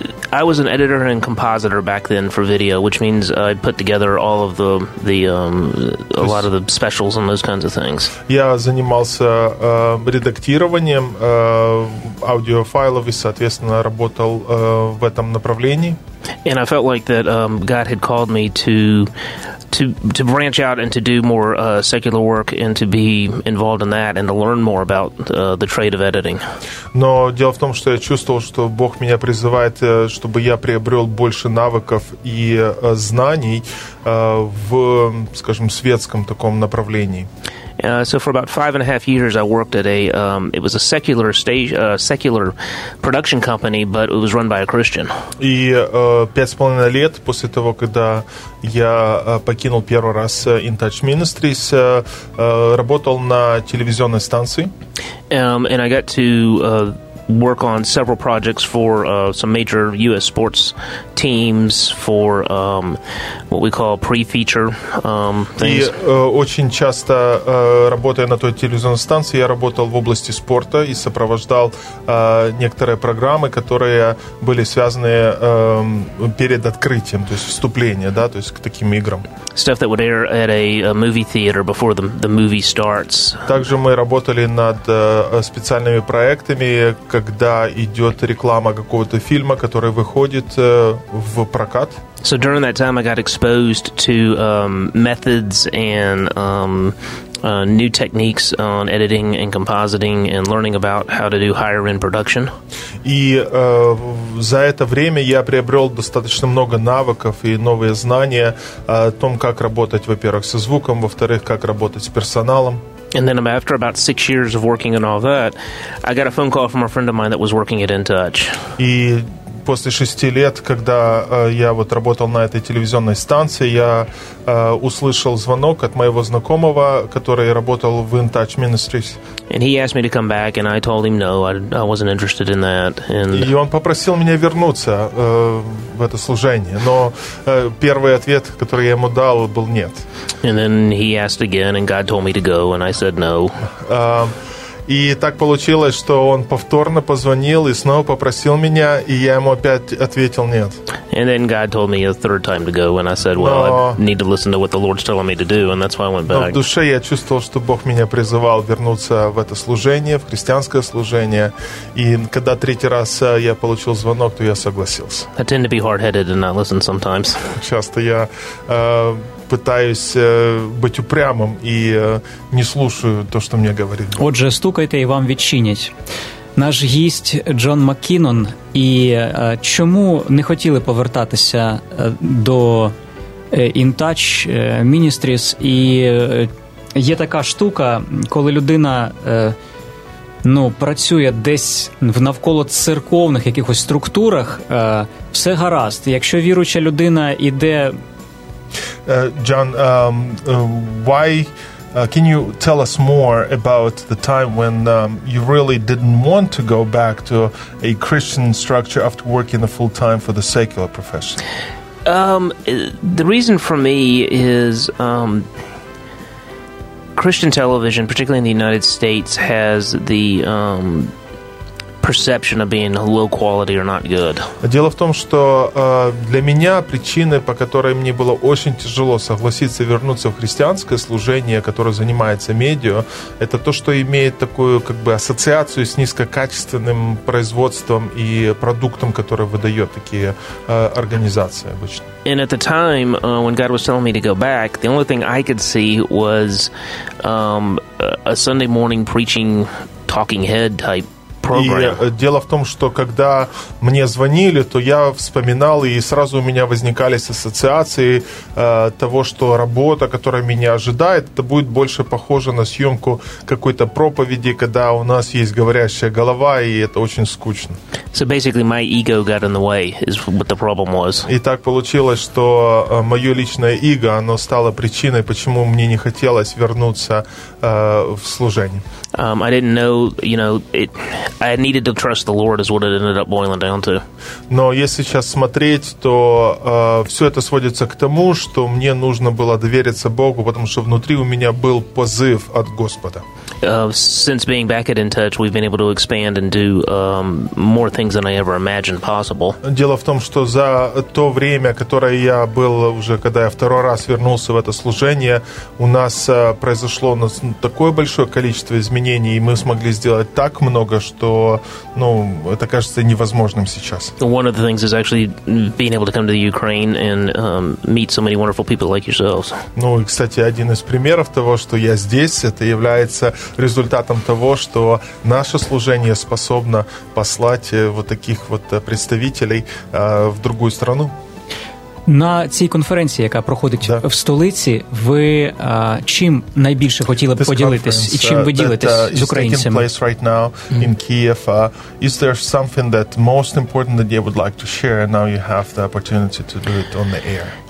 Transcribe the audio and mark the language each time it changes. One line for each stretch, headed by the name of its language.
English: I was an editor and compositor back then for video, which means I put together all of a lot of the specials and those kinds of things.
Russian: Я занимался редактированием аудиофайлов и, соответственно, работал в этом направлении.
English: And I felt like that God had called me to branch out and to do more secular work and to be involved in that and to learn more about the trade of editing.
Russian: Но дело в том, что я чувствовал, что Бог меня призывает, чтобы я приобрел больше навыков и знаний в, скажем, светском таком направлении.
English: So for about 5.5 years, I worked at a it was a secular stage, secular production company, but it was run by a Christian.
Russian: И 5.5 лет после того, когда я покинул первый раз In Touch Ministries, работал на телевизионной станции.
English: And I got to work on several projects for some major U.S. sports teams for what we call pre-feature things.
Russian: И очень часто, работая на той телевизионной станции, я работал в области спорта и сопровождал некоторые программы, которые были связаны перед открытием, то есть вступление, да, то есть к таким играм.
English: Stuff that would air at a movie theater before the movie starts.
Russian: Также мы работали над специальными проектами, когда идет реклама какого-то фильма, который выходит в прокат.
English: So during that time I got exposed to methods and new techniques on editing and compositing and learning about how to do higher end production.
Russian: И за это время я приобрел достаточно много навыков и новые знания о том, как работать, во-первых, со звуком, во-вторых, как работать с персоналом.
English: And then after about 6 years of working and all that, I got a phone call from a friend of mine that was working at InTouch.
Russian: И после 6 лет, когда я вот работал на этой телевизионной станции, я услышал звонок от моего знакомого, который работал в InTouch Ministries.
English: And he asked me to come back, and I told him no, I wasn't interested in that. And...
Russian: И он попросил меня вернуться в это служение, но первый ответ, который я ему дал, был нет.
English: And then he asked again, and God told me to go, and I said no.
Russian: И так получилось, что он повторно позвонил и снова попросил меня, и я ему опять ответил нет.
English: And then God told me a third time to go, and I said, well, I need to listen to what the Lord's telling me to do, and that's why I went back.
Russian: Но в душе я чувствовал, что Бог меня призывал вернуться в это служение, в христианское служение, и когда третий раз я получил звонок, то я согласился.
English: I tend to be hard-headed and not listen sometimes.
Russian: Часто я пытаюсь быть упрямым и не слушаю то, что мне говорит.
Ukrainian: Отже, стукайте, и вам відчинять. Наш гість Джон Маккінон. І чому не хотіли повертатися до In Touch Ministries? І є така штука, коли людина працює десь в навколо церковних якихось структурах, все гаразд. Якщо віруюча людина йде...
English: John, why can you tell us more about the time when you really didn't want to go back to a Christian structure after working a full time for the secular profession? The reason for me is Christian television, particularly in the United States, has the perception of being low quality or not good.
Russian: Дело в том, что для меня причины, по которой мне было очень тяжело согласиться вернуться в христианское служение, которое занимается медиа, это то, что имеет такую как бы ассоциацию с низкокачественным производством и продуктом, который выдает такие организации обычно.
English: And at the time, when God was telling me to go back, the only thing I could see was a Sunday morning preaching talking head type.
Russian: И дело в том, что когда мне звонили, то я вспоминал, и сразу у меня возникали ассоциации того, что работа, которая меня ожидает, это будет больше похоже на съемку какой-то проповеди, когда у нас есть говорящая голова, и это очень скучно.
English: So basically my ego got in the way, is what the problem was.
Russian: И так получилось, что мое личное иго, оно стало причиной, почему мне не хотелось вернуться в служение.
English: I didn't know, I needed to trust the Lord is what it ended up boiling down to.
Russian: Но если сейчас смотреть, то все это сводится к тому, что мне нужно было довериться Богу, потому что внутри у меня был позыв от Господа.
English: Since being back at In Touch, we've been able to expand and do more things than I ever imagined possible.
Russian: Дело в том, что за то время, которое я был уже, когда я второй раз вернулся в это служение, у нас произошло такое большое количество изменений, и мы смогли сделать так много, что, это кажется невозможным сейчас.
English: One of the things is actually being able to come to the Ukraine and meet so many wonderful people like yourselves.
Russian: Ну, и, кстати, один из примеров того, что я здесь, это является результатом того, что наше служение способно послать вот таких вот представителей в другую страну.
Ukrainian: На цій конференції, яка проходить в столиці, ви чим найбільше хотіли б поділитись і чим ви ділитесь з українцями?
English: Taking place right now in Kiev. Is there something that most important that you would like to share? And now you have the opportunity to do it on the air.